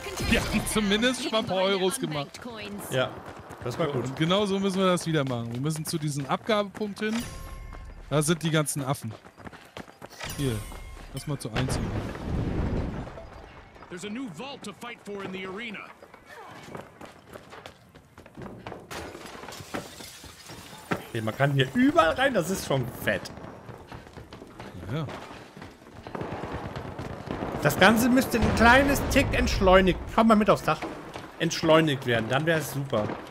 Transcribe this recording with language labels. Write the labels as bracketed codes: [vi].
[de] Wir haben zumindest schon mal ein paar Euros gemacht. Ja, das war gut. Und genau so müssen wir das wieder machen. Wir müssen zu diesem Abgabepunkt hin. Da sind die ganzen Affen. Hier, lass mal zu eins gehen. [en] There's a new vault to fight for in the arena. [de] Man kann hier überall rein, das ist schon fett. Ja. Das Ganze müsste ein kleines Tick entschleunigt. Komm mal mit aufs Dach. Entschleunigt werden, dann wäre es super.